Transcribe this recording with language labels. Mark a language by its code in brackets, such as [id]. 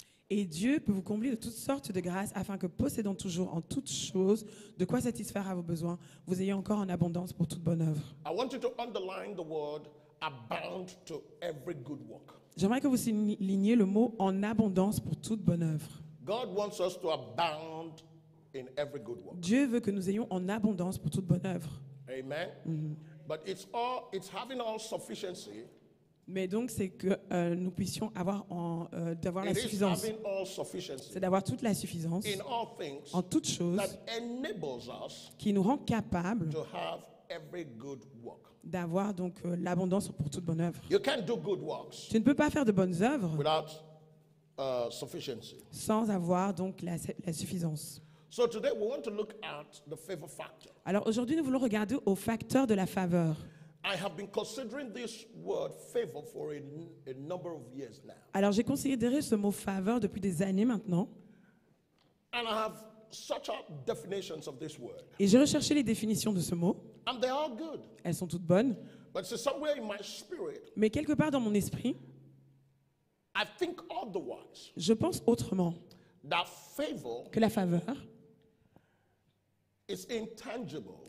[fr] Et Dieu peut vous combler de toutes sortes de grâces afin que possédant toujours en toutes choses de quoi satisfaire à vos besoins, vous ayez encore en abondance pour toute bonne œuvre. [en] I want you to underline the word abound to every good work. [fr] J'aimerais que vous souligniez le mot en abondance pour toute bonne œuvre. [en] God wants us to abound in every good work. [fr] Dieu veut que nous ayons en abondance pour toute bonne œuvre. [en] Amen. But it's having all sufficiency. [fr] Mais donc c'est que nous puissions avoir d'avoir la suffisance. [en] Having all sufficiency. [fr] C'est d'avoir toute la suffisance [en] in all things [fr] en toutes choses [en] that enables us [fr] qui nous rend capables [en] to have every good work. [fr] D'avoir donc l'abondance pour toute bonne œuvre. [en] You can't do good works. [fr] Tu ne peux pas faire de bonnes œuvres [en] without sufficiency. [fr] Sans avoir donc la suffisance. [en] So today we want to look at the favor factor. [fr] Alors aujourd'hui nous voulons regarder au facteur de la faveur. [en] I have been considering this word favor for a number of years now. [fr] Alors j'ai considéré ce mot faveur depuis des années maintenant. [en] And I have such definitions of this word. [fr] Et j'ai recherché les définitions de ce mot. [en] And they are good. [fr] Elles sont toutes bonnes. [en] But so somewhere in my spirit. [fr] Mais quelque part dans mon esprit. [en] I think otherwise. [fr] Je pense autrement. [en] That favor. [fr] Que la faveur. [en] It's intangible.